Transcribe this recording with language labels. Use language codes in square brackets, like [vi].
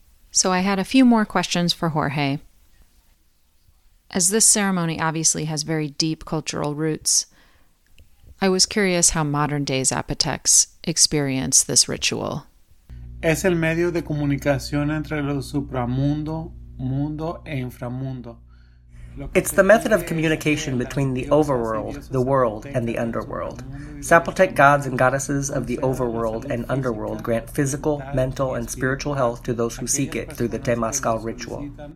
[en] So I had a few more questions for Jorge. As this ceremony obviously has very deep cultural roots, I was curious how modern-day Zapotecs experience this ritual. [es] Es el medio de comunicación entre lo supramundo, mundo e inframundo. [en] It's the method of communication between the overworld, the world, and the underworld. Zapotec gods and goddesses of the overworld and underworld grant physical, mental, and spiritual health to those who seek it through the Temazcal ritual.